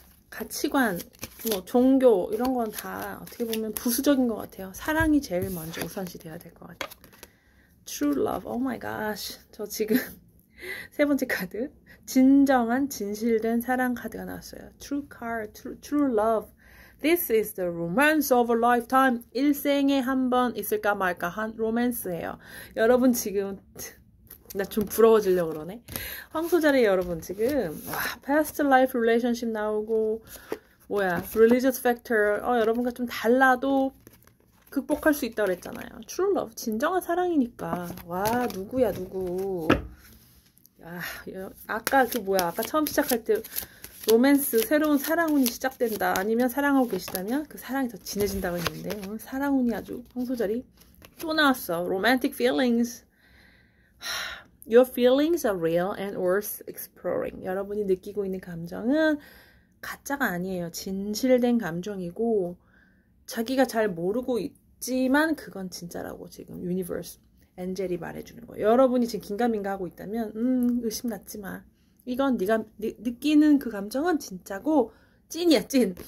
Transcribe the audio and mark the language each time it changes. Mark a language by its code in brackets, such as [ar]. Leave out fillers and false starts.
[ko] 가치관, 뭐 종교 이런 건다 어떻게 보면 부수적인 것 같아요. 사랑이 제일 먼저 우선시 돼야 될것 같아요. [en] True love, oh my gosh. [ko] 저 지금 세 번째 카드, 진정한 진실된 사랑 카드가 나왔어요. [en] True card, true love. This is the romance of a lifetime. [ko] 일생에 한번 있을까 말까 한 로맨스예요. 여러분 지금 나좀 부러워지려고 그러네. 황소자리 여러분 지금 와, past life relationship 나오고 뭐야, religious factor. 여러분과 좀 달라도 극복할 수 있다고 그랬잖아요. True love, 진정한 사랑이니까. 와, 누구야 누구. 아까 그 뭐야, 아까 처음 시작할 때 로맨스, 새로운 사랑운이 시작된다, 아니면 사랑하고 계시다면 그 사랑이 더 진해진다고 했는데, 사랑운이 아주 황소자리 또 나왔어. [en] Romantic feelings. Your feelings are real and worth exploring. [ko] 여러분이 느끼고 있는 감정은 가짜가 아니에요. 진실된 감정이고, 자기가 잘 모르고 있지만 그건 진짜라고 지금 유니버스 엔젤이 말해주는 거예요. 여러분이 지금 긴가민가 하고 있다면 의심 갖지 마. 이건 네가 느끼는 그 감정은 진짜고 찐이야, 찐.